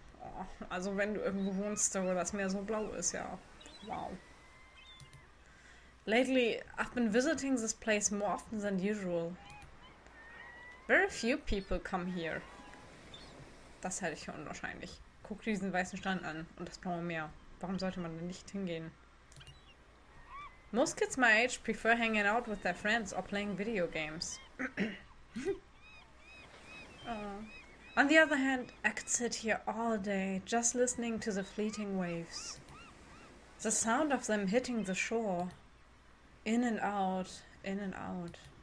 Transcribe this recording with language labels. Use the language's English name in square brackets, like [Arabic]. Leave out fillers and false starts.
[German] Oh, also wenn du irgendwo wohnst, wo das Meer so blau ist, ja. Wow. [English] Lately, I've been visiting this place more often than usual. Very few people come here. [German] Das halte ich für unwahrscheinlich. Guck dir diesen weißen Strand an und das blaue Meer. Warum sollte man denn nicht hingehen? [English] Most kids my age prefer hanging out with their friends or playing video games. On the other hand, I could sit here all day just listening to the fleeting waves. The sound of them hitting the shore. In and out, in and out.